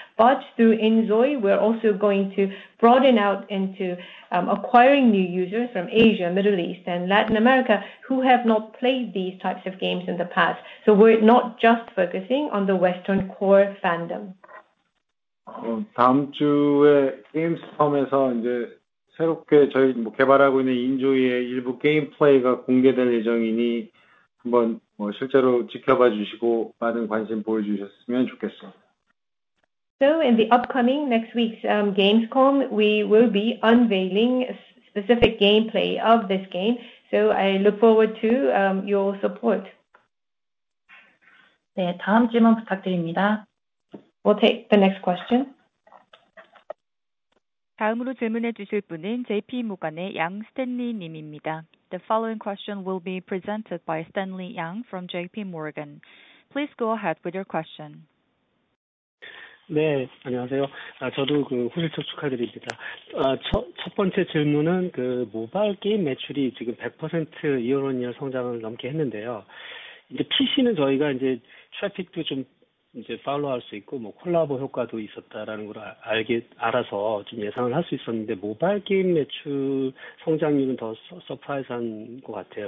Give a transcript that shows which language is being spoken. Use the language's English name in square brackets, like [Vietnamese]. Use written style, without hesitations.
[English] But through enjoy, we're also going to broaden out into acquiring new users from Asia, Middle East, and Latin America who have not played these types of games in the past. So we're not just focusing on the Western core fandom. [Korean] 다음 주에 게임스톰에서 이제 새롭게 저희 뭐 개발하고 있는 인조이의 일부 게임플레이가 공개될 예정이니 한번 뭐 실제로 지켜봐 주시고 많은 관심 보여주셨으면 좋겠습니다. [English] So in the upcoming next week's Gamescom, we will be unveiling specific gameplay of this game. So I look forward to your support. [Korean] 네, 다음 질문 부탁드립니다. [English] We'll take the next question. [Korean] 다음으로 질문해 주실 분은 JP 모건의 양 스탠리 님입니다. [English] The following question will be presented by Stanley Yang from JP Morgan. Please go ahead with your question. [Korean] 네, 안녕하세요. 아, 저도 그 후실적 축하드립니다. 아, 첫 번째 질문은 그 모바일 게임 매출이 지금 100% 이어온이어 성장을 넘게 했는데요. 이제 PC는 저희가 이제 트래픽도 좀 이제 팔로우할 수 있고 뭐 콜라보 효과도 있었다라는 걸 알아서 좀 예상을 할 수 있었는데 모바일 게임 매출 성장률은 더 서프라이즈한 것 같아요.